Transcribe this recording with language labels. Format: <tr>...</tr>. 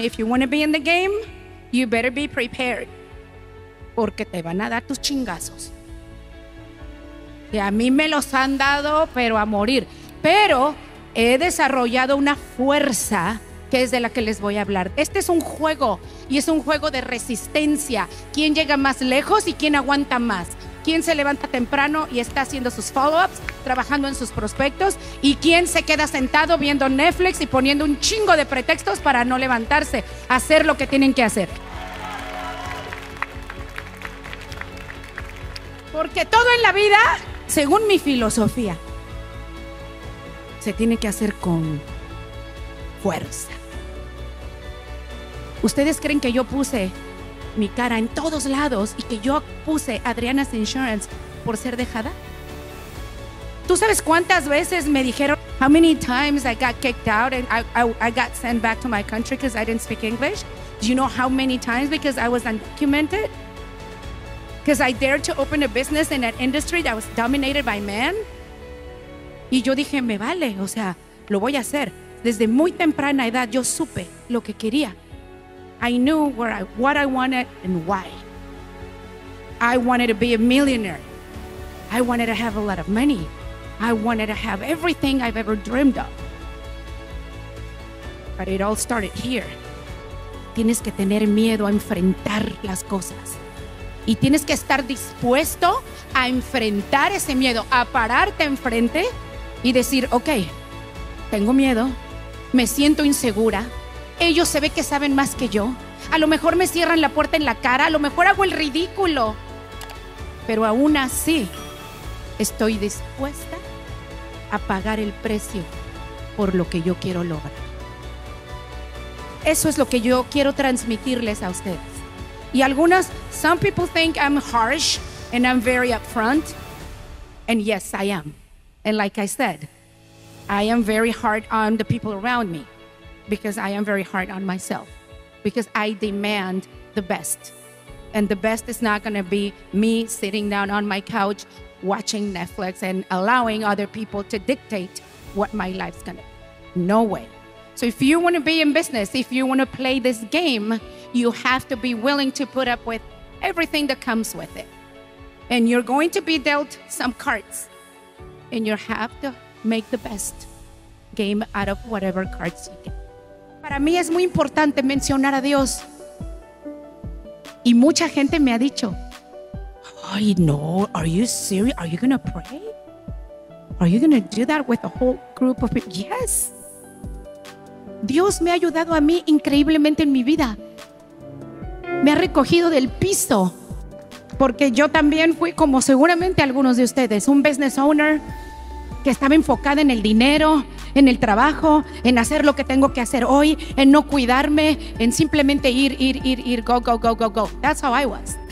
<en>If you want to be in the game, you better be prepared.</en> <es>Porque te van a dar tus chingazos. Y a mí me los han dado, pero a morir. Pero he desarrollado una fuerza que es de la que les voy a hablar. Este es un juego y es un juego de resistencia. ¿Quién llega más lejos y quién aguanta más? ¿Quién se levanta temprano y está haciendo sus follow-ups, trabajando en sus prospectos? ¿Y quién se queda sentado viendo Netflix y poniendo un chingo de pretextos para no levantarse, hacer lo que tienen que hacer? Porque todo en la vida, según mi filosofía, se tiene que hacer con fuerza. ¿Ustedes creen que yo puse mi cara en todos lados y que yo puse Adriana's Insurance por ser dejada? ¿Tú sabes cuántas veces me dijeron?</es> <en>How many times I got kicked out and I got sent back to my country because I didn't speak English? Do you know how many times? Because I was undocumented? Because I dared to open a business in an industry that was dominated by men?</en> <es>Y yo dije, me vale, o sea, lo voy a hacer. Desde muy temprana edad yo supe lo que quería.</es> <en>I knew what I wanted and why. I wanted to be a millionaire. I wanted to have a lot of money. I wanted to have everything I've ever dreamed of. But it all started here.</en> <es>Tienes que tener miedo a enfrentar las cosas. Y tienes que estar dispuesto a enfrentar ese miedo, a pararte enfrente y decir, okay, tengo miedo. Me siento insegura. Ellos se ve que saben más que yo. A lo mejor me cierran la puerta en la cara. A lo mejor hago el ridículo. Pero aún así, estoy dispuesta a pagar el precio por lo que yo quiero lograr. Eso es lo que yo quiero transmitirles a ustedes. Y algunas,</es> <en>some people think I'm harsh and I'm very upfront. And yes, I am. And like I said, I am very hard on the people around me because I am very hard on myself because I demand the best. And the best is not going to be me sitting down on my couch watching Netflix and allowing other people to dictate what my life's going to be. No way. So if you want to be in business, if you want to play this game, you have to be willing to put up with everything that comes with it. And you're going to be dealt some cards and you have to make the best game out of whatever cards you get.</en> <es>Para mí es muy importante mencionar a Dios. Y mucha gente me ha dicho, ay, no,</es> <en>are you serious? Are you going to pray? Are you going to do that with a whole group of people? Yes.</en> <es>Dios me ha ayudado a mí increíblemente en mi vida. Me ha recogido del piso. Porque yo también fui, como seguramente algunos de ustedes, un business owner que estaba enfocada en el dinero, en el trabajo, en hacer lo que tengo que hacer hoy, en no cuidarme, en simplemente ir,</es> <en>go, go, go, go, go. That's how I was.</en>